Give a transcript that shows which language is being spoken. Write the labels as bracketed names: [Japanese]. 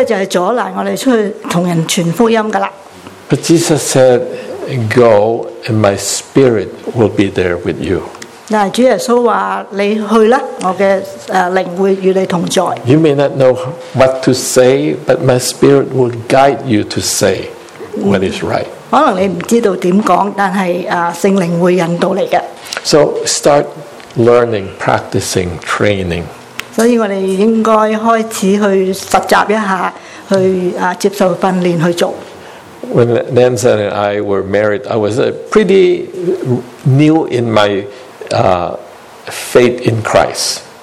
[Chinese] 阻拦我们出去跟人分享，这些就是阻拦我们出去跟人传福音的。 [English] But Jesus said, "Go, and my spirit will be there with you." [Chinese] 主耶稣说你去吧，我的灵会与你同在。 [English] You may not know what to say, but my spirit will guide you to say what is right. [Chinese] 可能你不知道怎么说，但是圣灵会引导你的。 [English] So start learning, practicing, training. [Chinese] 所以我们应该开始去实习一下，去接受训练去做。 [English] When Nansen and I were married, I was pretty new in my faith in Christ.